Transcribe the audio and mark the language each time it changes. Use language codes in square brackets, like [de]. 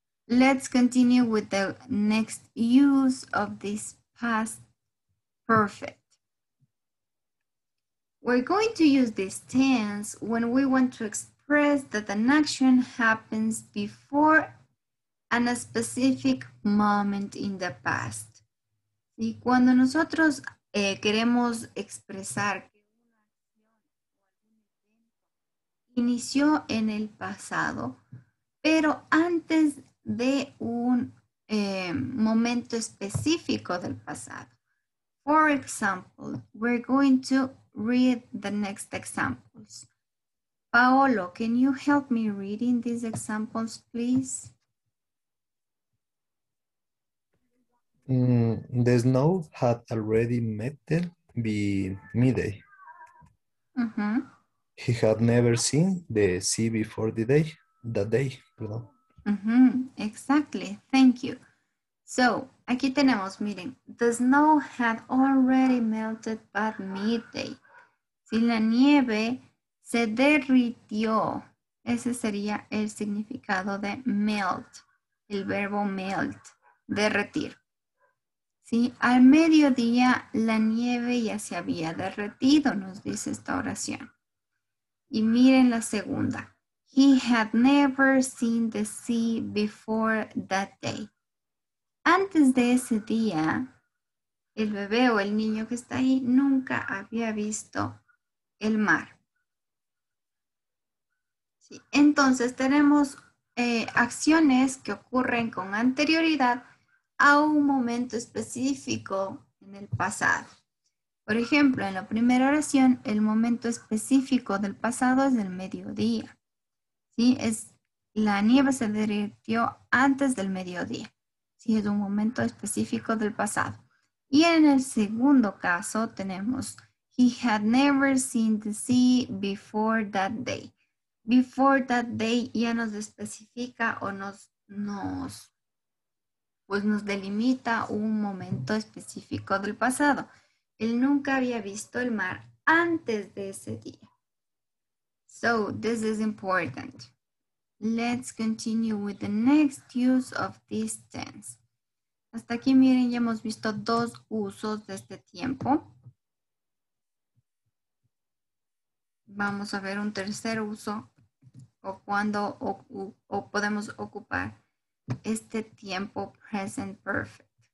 [en] Let's continue with the next use of this past perfect. We're going to use this tense when we want to express that an action happens before and a specific moment in the past. [es] Y cuando nosotros queremos expresar que una acción inició en el pasado, pero antes de un momento específico del pasado. [en] For example, we're going to read the next examples. Paolo, can you help me reading these examples, please? The snow had already melted by midday. Mm-hmm. He had never seen the sea before the day. Mm-hmm. Exactly. Thank you. So, [es] aquí tenemos, miren, [en] the snow had already melted by midday. [es] Si la nieve se derritió, ese sería el significado de melt, el verbo melt, derretir. Sí, al mediodía la nieve ya se había derretido, nos dice esta oración. Y miren la segunda. [en] He had never seen the sea before that day. [es] Antes de ese día, El bebé o el niño que está ahí nunca había visto el mar. Sí. Entonces tenemos acciones que ocurren con anterioridad a un momento específico en el pasado. Por ejemplo, en la primera oración, el momento específico del pasado es el mediodía. ¿Sí? Es, la nieve se derritió antes del mediodía. ¿Sí? Es un momento específico del pasado. Y en el segundo caso tenemos, [en] he had never seen the sea before that day. Before that day [es] ya nos especifica o nos delimita un momento específico del pasado. Él nunca había visto el mar antes de ese día. [en] So, this is important. Let's continue with the next use of this tense. [es] Hasta aquí, miren, ya hemos visto dos usos de este tiempo. Vamos a ver un tercer uso o cuándo o podemos ocupar este tiempo present perfect.